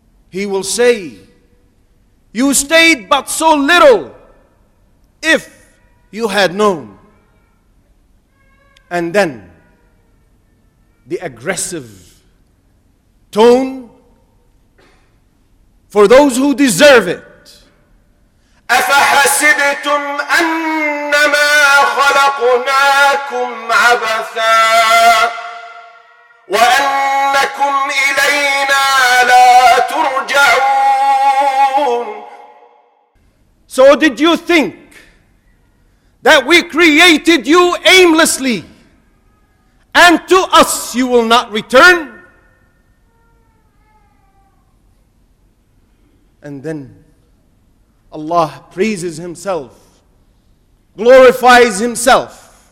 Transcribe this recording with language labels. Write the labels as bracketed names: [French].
[English] He will say, you stayed but so little if you had known. And then the aggressive tone for those who deserve it. [Arabic] أَفَحَسِبْتُمْ أَنَّمَا خلقناكم عبثا وأنكم إلينا لا ترجعون. [English] So did you think that we created you aimlessly and to us you will not return? And then Allah praises Himself, glorifies Himself.